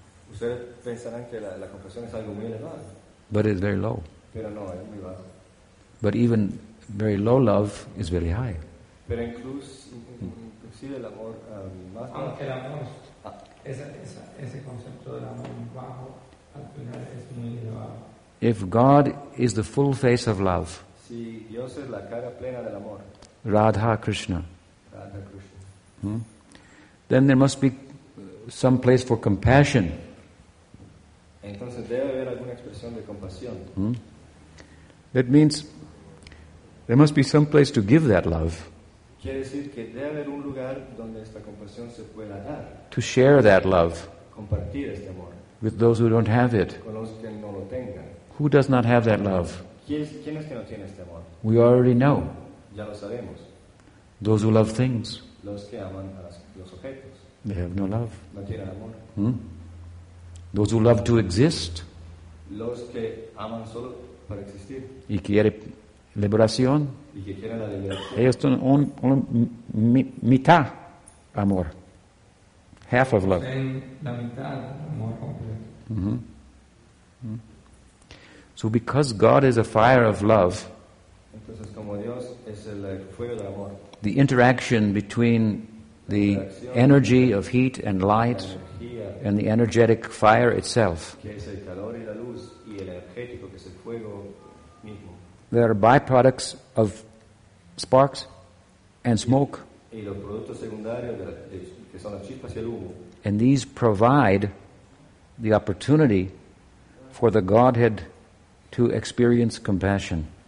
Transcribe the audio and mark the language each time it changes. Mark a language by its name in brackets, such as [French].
[Spanish] Ustedes pensarán que la compasión es algo muy elevado. [English] But it is very low. [Spanish] Pero no, es muy bajo. [English] But even very low love is very high. [Spanish] Pero inclusive el amor más bajo. Aunque el amor, ese concepto del amor bajo, al final es muy elevado. [English] If God is the full face of love, [Spanish] si Dios es la cara plena del amor, Radha Krishna. Radha Krishna. [English] Then there must be some place for compassion. [Spanish] Entonces debe haber alguna expresión de compasión. [English] That means there must be some place to give that love. [Spanish] Quiere decir que debe haber un lugar donde esta compasión se pueda dar. [English] To share that love. [Spanish] Compartir este amor. [English] With those who don't have it. [Spanish] Con los que no lo tengan. [English] Who does not have that love? [Spanish] ¿Quién es que no tiene este amor? [English] We already know. [Spanish] Ya lo sabemos. [English] Those who love things. [Spanish] Los que aman a los objetos. [English] They have no love. [Spanish] No tienen amor. [English] Those who love to exist. [Spanish] Los que aman solo para existir. Y quiere liberación. Y que quieren la liberación. Ellos son un mitad amor. [English] Half of love. [Spanish] Ten la mitad amor completo. [English] So because God is a fire of love, [Spanish] entonces, como Dios es el fuego del amor, [English] the interaction between the energy of heat and light and the energetic fire itself, there are byproducts of sparks and smoke, [Spanish] y los productos secundarios que son las chispas y el humo, [English] and these provide the opportunity for the Godhead to experience compassion.